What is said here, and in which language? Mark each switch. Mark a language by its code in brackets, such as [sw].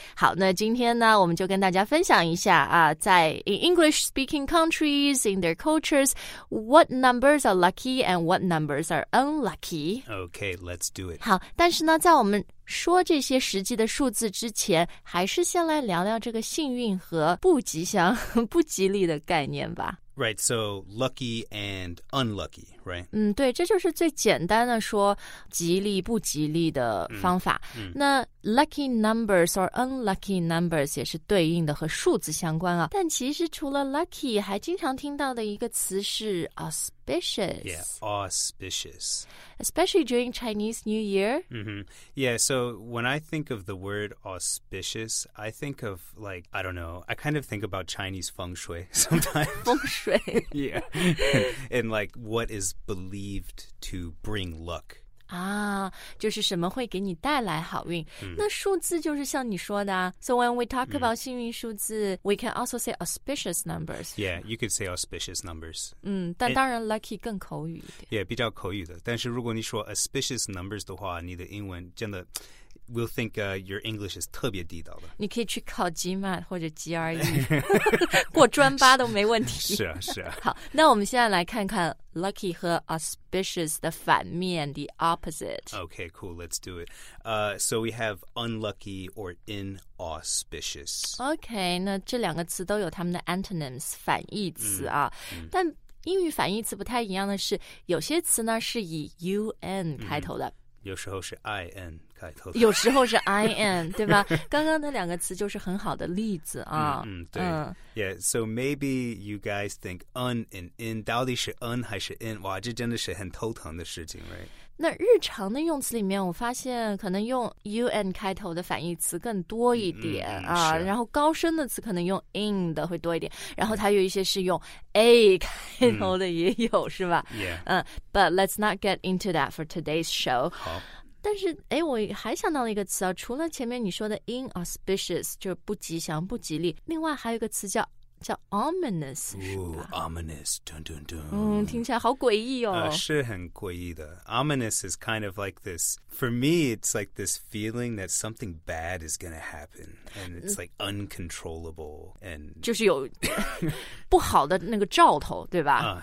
[zh] 好，那今天呢，我们就跟大家分享一下啊，在 [en] in English speaking countries, in their cultures, what numbers are lucky and what numbers are unlucky. Okay, let's do it. [zh] 好，但是呢，在我们说这些实际的数字之前，还是先来聊聊这个幸运和不吉祥、不吉利的概念吧。 [en] Right, so lucky and unlucky, right? [zh] 对，这就是最简单的说吉利不吉利的方法。那 [en] lucky numbers or unlucky numbers [zh] 也是对应的和数字相关啊。但其实除了 lucky, 还经常听到的一个词是 auspicious. [en] Yeah, auspicious. Especially during Chinese New Year. Yeah, so when I think of the word auspicious, I think of like, I don't know, I kind of think about Chinese feng shui sometimes. Feng shui. Yeah, and like what is believed to bring luck. [zh] 就是什么会给你带来好运。那数字就是像你说的。 [en] So when we talk about [zh] 幸运数字, [en] we can also say auspicious numbers. Yeah, you could say auspicious numbers. [zh] 但当然 lucky 更口语一点。 [en] Yeah, [zh] 比较口语的。但是如果你说 [en] auspicious numbers [zh] 的话，你的英文真的 [en] We'll think your English is [zh] 特别地道的。你可以去考 GMAT 或者 GRE， 过专八都没问题。是啊，是啊。好，那我们现在来看看 lucky 和 auspicious 的反面 ， [en] the opposite。 Okay, cool. Let's do it. So we have unlucky or inauspicious. Okay， [zh] 那这两个词都有他们的 antonyms 反义词啊，但。英语反义词不太一样的是，有些词呢是以 un 开头的。有时候是 IN 开头的，有时候是 IN， 对吧？刚刚那两个词就是很好的例子啊。对。 [en] Yeah, so maybe you guys think un and in [zh] 到底是 [en] un 还是 in？ [zh] 哇，这真的是很头疼的事情 ， [en] right？ [zh] 那日常的用词里面，我发现可能用 un 开头的反义词更多一点啊。然后高深的词可能用 in 的会多一点。然后它有一些是用 a 开头的也有，是吧 [en] ？Yeah. But let's not get into that for today's show. [zh] 好。但是我还想到了一个词啊，除了前面你说的 inauspicious 就是不吉祥不吉利，另外还有一个词叫 ominous，哦 ominous， 咚咚咚，听起来好诡异哦，是很诡异的。 [en] ominous is kind of like this for me， it's like this feeling that something bad is gonna happen and it's like uncontrollable and [zh] 就是有不好的那个兆头，对吧？